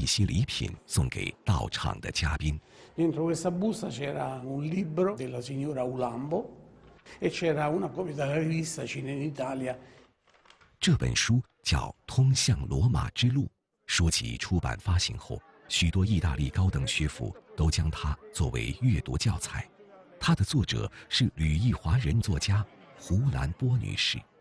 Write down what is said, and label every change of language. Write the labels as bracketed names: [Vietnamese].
[Chinese] 为了这次开幕活动，罗马九号文化中心准备了一些礼品送给到场的嘉宾。 [Italian] Dentro questa busta c'era un libro della signora Ulambo e c'era una copia della rivista Cine in Italia. [Chinese] 这本书叫《通向罗马之路》，书籍出版发行后，许多意大利高等学府都将它作为阅读教材。它的作者是旅意华人作家胡兰波女士。